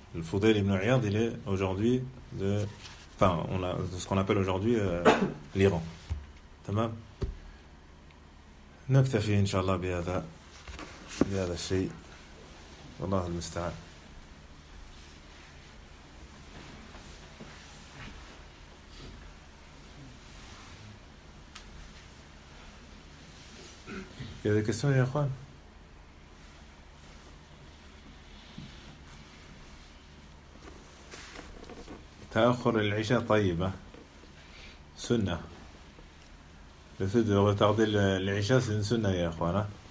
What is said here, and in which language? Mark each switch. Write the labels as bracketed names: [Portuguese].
[French] Le Foudel ibn Iyad, il est aujourd'hui de ce qu'on appelle aujourd'hui l'Iran. [Arabic] Tamam. نكتفي إن شاء الله بهذا الشيء والله المستعان هذا كسون يا أخوان تأخر العشاء طيبة سنة. [French] Le fait de retarder l'Isha, c'est une sunna, ya khwana.